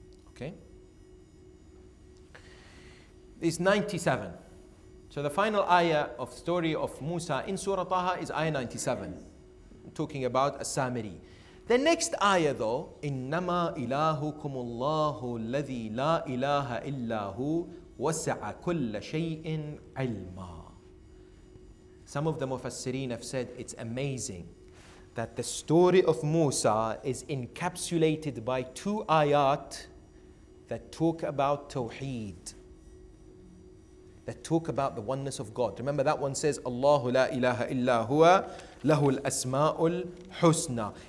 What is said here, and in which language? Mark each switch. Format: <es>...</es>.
<en>Okay. It's 97. So the final ayah of story of Musa in Surah Taha is ayah 97. I'm talking about As-Samiri. The next ayah though,</en> <ar>إِنَّمَا إِلَهُكُمُ اللَّهُ الَّذِي لَا إِلَهَ إِلَّا هُوَ وَسَعَ كُلَّ شَيْءٍ عِلْمًا.</ar> <en>Some of the Mufassirin have said it's amazing that the story of Musa is encapsulated by two ayat that talk about Tawheed, that talk about the oneness of God. Remember that one says,</en> <ar>Allahu la ilaha illa huwa lahul asma'ul husna.</ar>